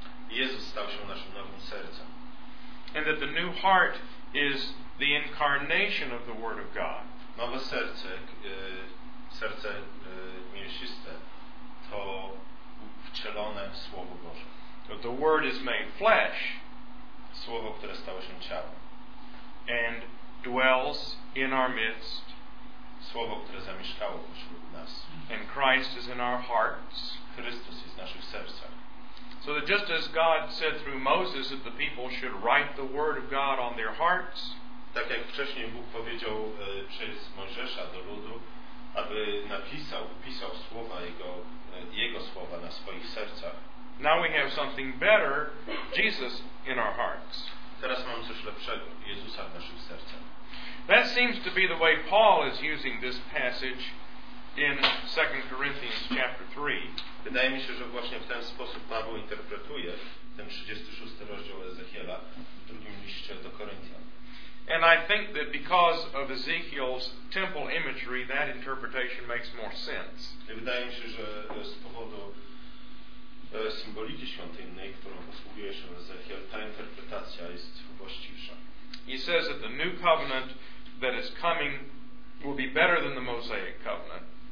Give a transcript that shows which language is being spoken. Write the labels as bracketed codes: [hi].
[pl] Jezus stał się naszym nowym sercem. [en] And that the new heart is the incarnation of the Word of God. [pl] Nowe serce, serce mięsiste, to wcielone Słowo Boże. [en] But the Word is made flesh. [pl] Słowo, które stało się ciałem. [en] And dwells in our midst. [pl] Słowo, które zamieszkało pośród nas. [en] And Christ is in our hearts. [pl] Chrystus jest w naszych sercach. [en] So that just as God said through Moses that the people should write the word of God on their hearts. [pl] Tak jak wcześniej Bóg powiedział przez Mojżesza do ludu, aby napisał, pisał słowa jego, jego słowa na swoich sercach. [en] Now we have something better, Jesus in our hearts. [pl] Teraz mamy coś lepszego, Jezusa w naszych sercach. [en] That seems to be the way Paul is using this passage in 2 Corinthians chapter 3. [pl] Wydaje mi się, że właśnie w ten sposób Paweł interpretuje ten 36 rozdział Ezechiela w drugim liście do Koryntian. [en] And I think that because of Ezekiel's temple imagery, that interpretation makes more sense. [pl] I wydaje mi się, że z powodu symboliki świątynnej, którą posługuje się Ezechiel, ta interpretacja jest właściwsza. [en] He says that the new covenant that is coming will be better than the Mosaic covenant.